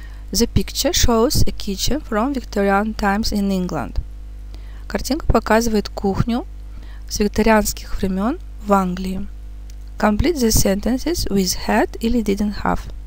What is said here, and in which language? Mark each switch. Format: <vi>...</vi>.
<en>The picture shows a kitchen from Victorian times in England.</en> <ru>Картинка показывает кухню с викторианских времен в Англии.</ru> <en>Complete the sentences with had или didn't have.</en>